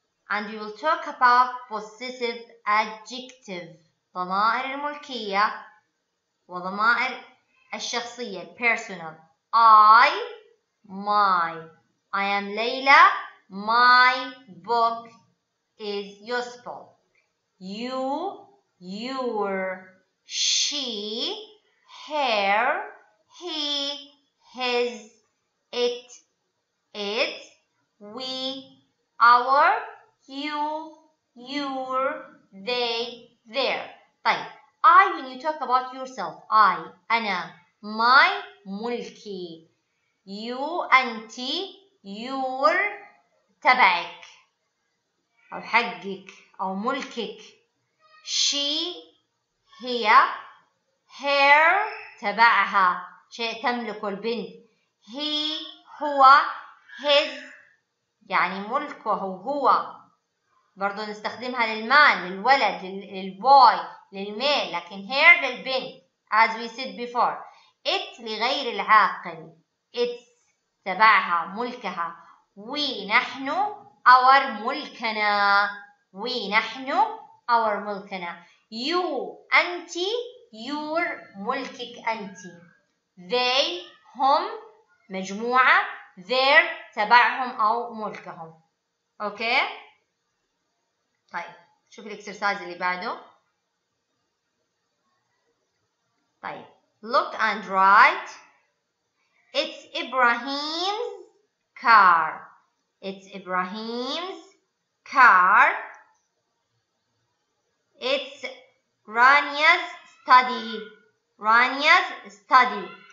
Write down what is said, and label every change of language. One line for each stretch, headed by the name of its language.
English: And we will talk about possessive adjective.
Arabic: ضمائر الملكية وضمائر الشخصية.
English: Personal. I, my. I am Layla. My book is useful. You, your. She, her. He, his. It, its. We, our. You, your, they, their. طيب, I, when you talk about yourself, I, أنا, my, ملكي. You, أنت, your, تبعك.
Arabic: أو حقك, أو ملكك. She, هي, her, تبعها. شيء تملكه البنت. He, هو, his, يعني ملكه هو. برضو نستخدمها للمان, للولد, للبوي, للميل, لكن هير للبنت,
English: as we said before.
Arabic: It لغير العاقل. It's تبعها, ملكها. We, نحن, our ملكنا. We, نحن, our ملكنا. You, أنت, your ملكك أنت. They, هم, مجموعة. Their, تبعهم أو ملكهم. Okay؟ طيب, شوف الاكسرسايز اللي بعده.
English: طيب look and write. It's Ibrahim's car. It's Ibrahim's car. It's Rania's study. Rania's study.